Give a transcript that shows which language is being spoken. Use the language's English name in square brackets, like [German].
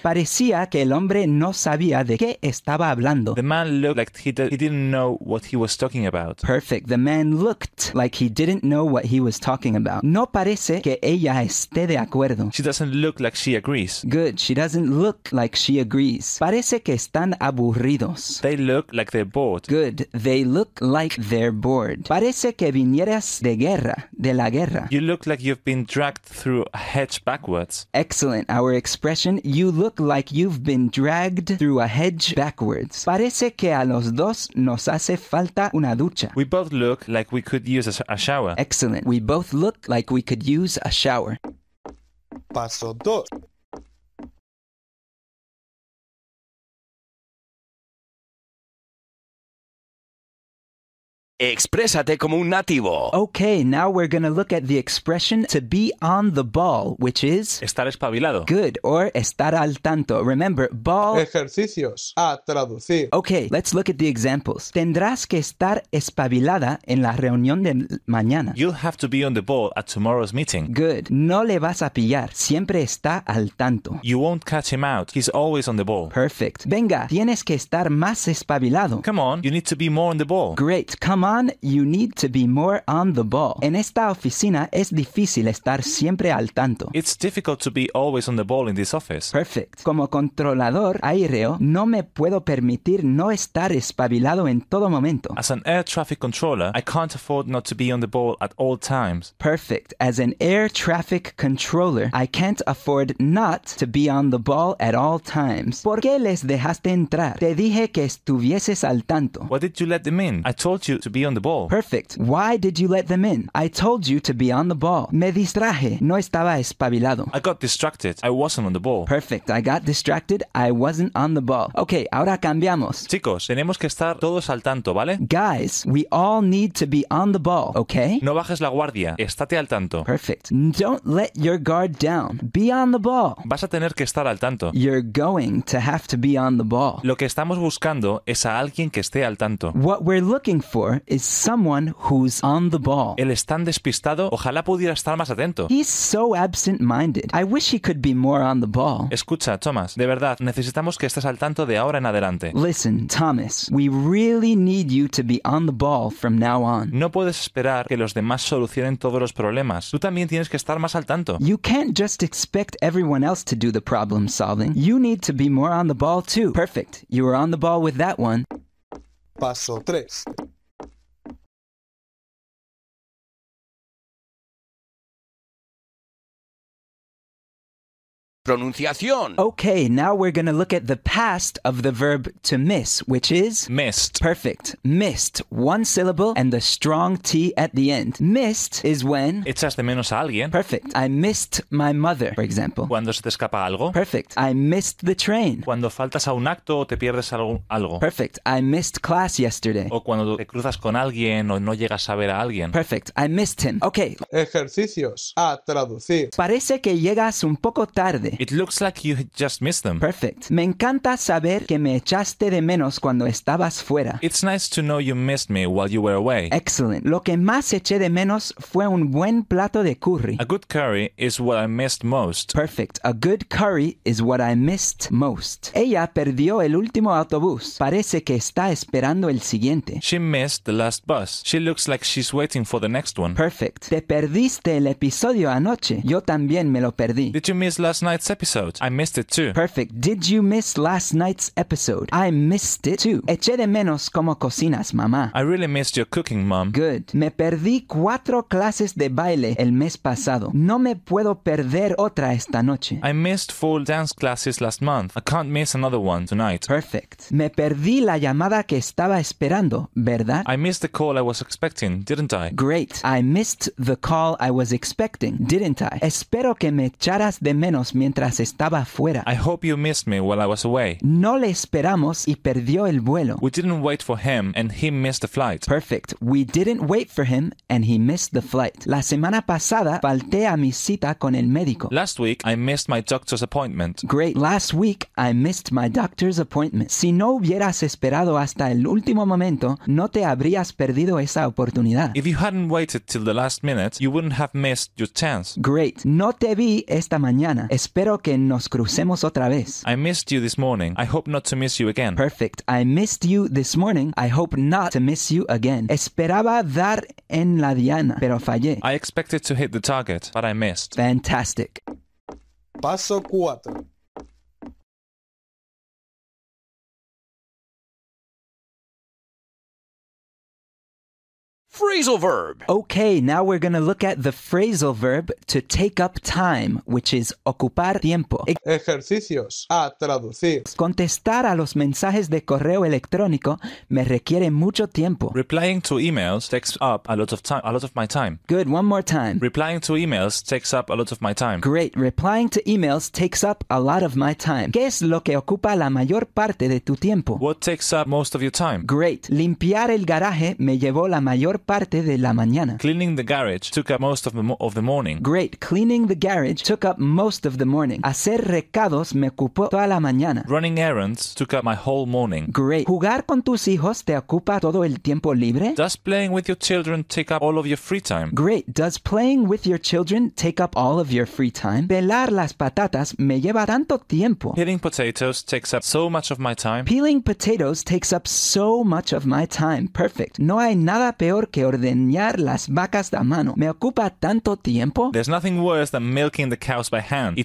[Spanish] Parecía que el hombre no sabía de qué estaba hablando. [English] The man looked like he didn't know what he was talking about. Perfect. The man looked like he didn't know what he was talking about. [Spanish] No parece que ella esté de acuerdo. [English] She doesn't look like she agrees. Good. She doesn't look like she agrees. [Spanish] Parece que están aburridos. [English] They look like they're bored. Good. They look like they're bored. [Spanish] Parece que vinieras de guerra, de la guerra. [English] You look like you've been dragged through a hedge backwards. Excellent. Our expression, you look like you've been dragged through a hedge backwards. [Spanish] Parece que a los dos nos hace falta una ducha. [English] We both look like we could use a shower. Excellent. We both look like we could use a shower. [Spanish] Paso dos. Exprésate como un nativo. [English] Okay, now we're gonna look at the expression to be on the ball, which is... [Spanish] Estar espabilado. [English] Good, or [Spanish] estar al tanto. [English] Remember, ball... [Spanish] Ejercicios. A traducir. [English] Okay, let's look at the examples. [Spanish] Tendrás que estar espabilada en la reunión de mañana. [English] You'll have to be on the ball at tomorrow's meeting. Good. [Spanish] No le vas a pillar. Siempre está al tanto. [English] You won't catch him out. He's always on the ball. Perfect. [Spanish] Venga, tienes que estar más espabilado. [English] Come on, you need to be more on the ball. Great. Come on, you need to be more on the ball. [Spanish] En esta oficina es difícil estar siempre al tanto. [English] It's difficult to be always on the ball in this office. Perfect. [Spanish] Como controlador aéreo, no me puedo permitir no estar espabilado en todo momento. [English] As an air traffic controller, I can't afford not to be on the ball at all times. Perfect. As an air traffic controller, I can't afford not to be on the ball at all times. [Spanish] ¿Por qué les dejaste entrar? Te dije que estuvieses al tanto. [English] What did you let them in? I told you to be on the ball. Perfect. Why did you let them in? I told you to be on the ball. [Spanish] Me distraje. No estaba espabilado. [English] I got distracted. I wasn't on the ball. Perfect. I got distracted. I wasn't on the ball. Okay, [Spanish] ahora cambiamos. Chicos, tenemos que estar todos al tanto, ¿vale? [English] Guys, we all need to be on the ball, okay? [Spanish] No bajes la guardia. Estate al tanto. [English] Perfect. Don't let your guard down. Be on the ball. [Spanish] Vas a tener que estar al tanto. [English] You're going to have to be on the ball. [Spanish] Lo que estamos buscando es a alguien que esté al tanto. [English] What we're looking for is someone who's on the ball. [Spanish] Él es tan despistado, ojalá pudiera estar más atento. [English] He's so absent-minded. I wish he could be more on the ball. [Spanish] Escucha, Thomas, de verdad, necesitamos que estés al tanto de ahora en adelante. [English] Listen, Thomas, we really need you to be on the ball from now on. [Spanish] No puedes esperar que los demás solucionen todos los problemas. Tú también tienes que estar más al tanto. [English] You can't just expect everyone else to do the problem solving. You need to be more on the ball too. Perfect. You were on the ball with that one. [Spanish] Paso 3. Pronunciación. [English] Okay, now we're gonna look at the past of the verb to miss, which is... Missed. Perfect. Missed. One syllable and a strong T at the end. Missed is when... [Spanish] Echas de menos a alguien. [English] Perfect. I missed my mother, for example. [Spanish] Cuando se te escapa algo. [English] Perfect. I missed the train. [Spanish] Cuando faltas a un acto o te pierdes algo. [English] Perfect. I missed class yesterday. [Spanish] O cuando te cruzas con alguien o no llegas a ver a alguien. [English] Perfect. I missed him. Okay. [Spanish] Ejercicios. A traducir. Parece que llegas un poco tarde. [English] It looks like you just missed them. Perfect. [Spanish] Me encanta saber que me echaste de menos cuando estabas fuera. [English] It's nice to know you missed me while you were away. Excellent. [Spanish] Lo que más eché de menos fue un buen plato de curry. [English] A good curry is what I missed most. Perfect. A good curry is what I missed most. [Spanish] Ella perdió el último autobús. Parece que está esperando el siguiente. [English] She missed the last bus. She looks like she's waiting for the next one. Perfect. [Spanish] Te perdiste el episodio anoche. Yo también me lo perdí. [English] Did you miss last night? night's episode. I missed it too. Perfect. Did you miss last night's episode? I missed it too. Eché de menos cómo cocinas, mamá. I really missed your cooking, mom. Good. [Spanish] Me perdí cuatro clases de baile el mes pasado. No me puedo perder otra esta noche. [English] I missed full dance classes last month. I can't miss another one tonight. Perfect. [Spanish] Me perdí la llamada que estaba esperando, ¿verdad? [English] I missed the call I was expecting, didn't I? Great. I missed the call I was expecting, didn't I? [Spanish] Espero que me echaras de menos mientras estaba fuera. [English] I hope you missed me while I was away. [Spanish] No le esperamos y perdió el vuelo. [English] We didn't wait for him and he missed the flight. Perfect. We didn't wait for him and he missed the flight. [Spanish] La semana pasada falté a mi cita con el médico. [English] Last week I missed my doctor's appointment. Great. Last week I missed my doctor's appointment. [Spanish] Si no hubieras esperado hasta el último momento, no te habrías perdido esa oportunidad. [English] If you hadn't waited till the last minute, you wouldn't have missed your chance. Great. [Spanish] No te vi esta mañana. Espero que nos crucemos otra vez. [English] I missed you this morning. I hope not to miss you again. Perfect. I missed you this morning. I hope not to miss you again. [Spanish] Esperaba dar en la diana, pero fallé. [English] I expected to hit the target, but I missed. Fantastic. [Spanish] Paso 4. [English] Phrasal verb. Okay, now we're gonna look at the phrasal verb to take up time, which is [Spanish] ocupar tiempo. Ejercicios a traducir. Contestar a los mensajes de correo electrónico me requiere mucho tiempo. [English] Replying to emails takes up a lot of time, a lot of my time. Good, one more time. Replying to emails takes up a lot of my time. Great, replying to emails takes up a lot of my time. [Spanish] ¿Qué es lo que ocupa la mayor parte de tu tiempo? [English] What takes up most of your time? Great, [Spanish] limpiar el garaje me llevó la mayor parte de la mañana. [English] Cleaning the garage took up most of the morning. Great. Cleaning the garage took up most of the morning. [Spanish] Hacer recados me ocupó toda la mañana. [English] Running errands took up my whole morning. Great. [Spanish] Jugar con tus hijos te ocupa todo el tiempo libre. [English] Does playing with your children take up all of your free time? Great. Does playing with your children take up all of your free time? [Spanish] Pelar las patatas me lleva tanto tiempo. [English] Peeling potatoes takes up so much of my time. Peeling potatoes takes up so much of my time. Perfect. [Spanish] No hay nada peor que ordeñar las vacas a mano. ¿Me ocupa tanto tiempo? [English] There's nothing worse than milking the cows by hand.